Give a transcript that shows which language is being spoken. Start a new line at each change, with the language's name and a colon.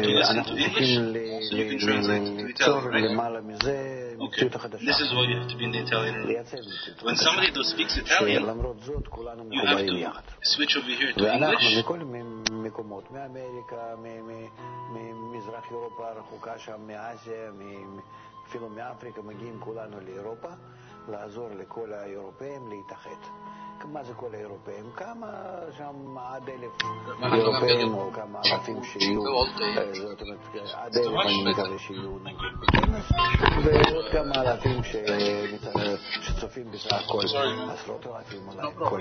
Hebrew: אנחנו צריכים ליצור למעלה מזה.
English: Okay. This is why you have to be in the Italian room. When somebody speaks Italian, you have to switch over here to English.
Hebrew: מקומות, מאמריקה, ממזרח אירופה, רחוקה שם, מאזיה, אפילו מאפריקה, מגיעים כולנו לאירופה, לעזור לכל האירופאים להתאחד. מה זה כל האירופאים? כמה שם עד 1,000 אירופאים, או כמה אלפים שיהיו, זאת אומרת, עד 1,000 אני מקווה שיהיו נגיד, ועוד כמה אלפים שצופים בסך הכל, עשרות אלפים אולי, כל